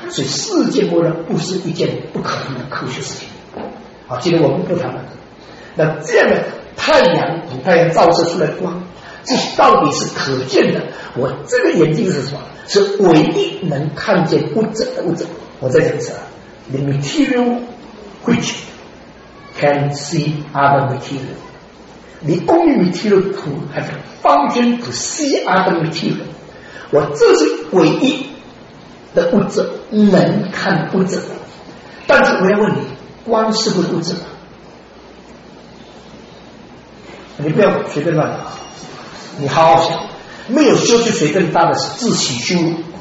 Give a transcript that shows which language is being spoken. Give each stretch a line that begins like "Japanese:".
Chinese: 所以世界末日不是一件不可能的科学事情。好，今天我们不谈了。那这样的太阳，太阳照射出来的光，这到底是可见的？我这个眼睛是什么？是唯一能看见物质的物质。我再讲一次啊
English: ，the material which can see other material。 The only material to have function to see other material，
Chinese: 我这是唯一的物质能看物质。但是我要问你，光是不是物质？你不要随便乱答，你好好想，没有说就随便答的是自取羞辱。